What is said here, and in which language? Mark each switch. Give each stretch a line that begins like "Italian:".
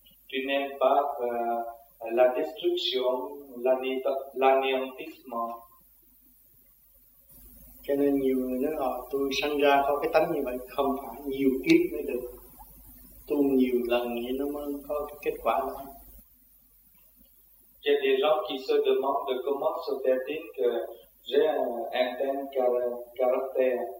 French: Tu n'aimes pas la destruction, l'anéantissement.
Vietnamese: Cho nên nhiều người nói là tôi sanh ra có cái tánh như vậy, không phải nhiều kiếp mới được. Tu nhiều lần thì nó mới có cái kết quả đó.
French: Il y a des gens qui se demandent comment se fait-il que j'ai un tel caractère.